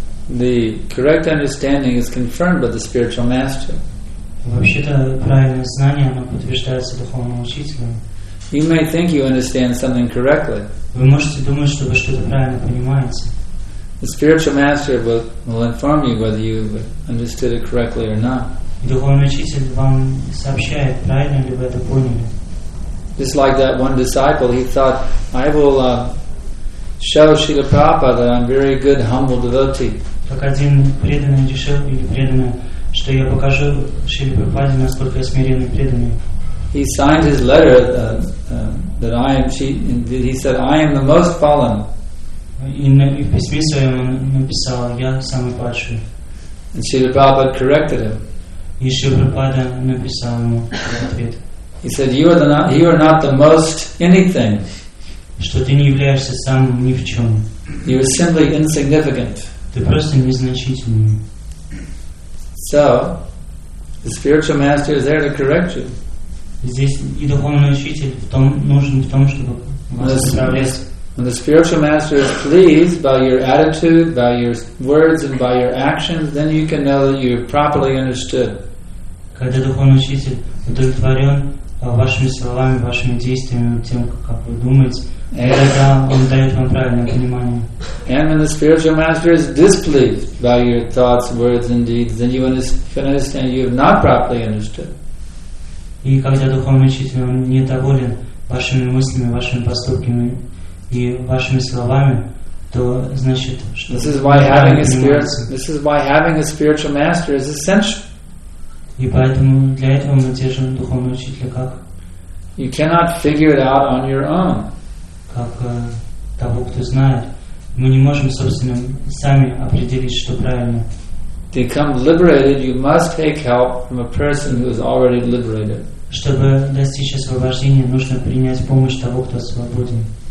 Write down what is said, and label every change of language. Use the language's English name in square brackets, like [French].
[English] The correct understanding is confirmed by the spiritual master. [Russian] Вообще-то правильное знание оно подтверждается духовным учителем. [English] You may think you understand something correctly. [Russian] Вы можете думать, что вы что-то правильно понимаете. [English] The spiritual master will inform you whether you understood it correctly or not. [Russian] Духовный учитель вам сообщает, правильно ли вы это поняли. [English] Just like that one disciple, he thought, I will show Srila Prabhupada that I'm a very good, humble devotee. [Russian] Как один преданный решил или преданный, что я покажу Шриле Прабхупаде, насколько я смиренный преданный. [English] He signed his letter that I am. He said, "I am the most fallen." In the [Russian] письме своем он написал, я самый падший. [English] And Srila Prabhupada corrected him. [Russian] И Шрила Прабхупада написал ему ответ. [English] He said, "You are not the most anything." [Russian] что ты не являешься самым ни в чем. [English] You are simply insignificant. [Russian] Ты просто незначительный. [English] So, the spiritual master is there to correct you. [Russian] Здесь и духовный учитель нужен в том, чтобы вас исправлять. [English] When the spiritual master is pleased by your attitude, by your words, and by your actions, then you can know that you have properly understood. [Russian] Когда духовный учитель удовлетворен вашими словами, вашими действиями, тем, как вы думаете, тогда он дает вам правильное понимание. [English] And when the spiritual master is displeased by your thoughts, words, and deeds, then you can understand you have not properly understood. [Russian] И когда духовный учитель недоволен вашими мыслями, вашими поступками и вашими словами, то значит, что [English] this is why having a spiritual master is essential. [Russian] И поэтому для этого мы держим духовного учителя как? [English] You cannot figure it out on your own. [Russian] Как того, кто знает. Мы не можем, собственно, сами определить, что правильно. [English] To become liberated, you must take help from a person who is already liberated. [Russian] Чтобы достичь освобождения, нужно принять помощь того, кто свободен.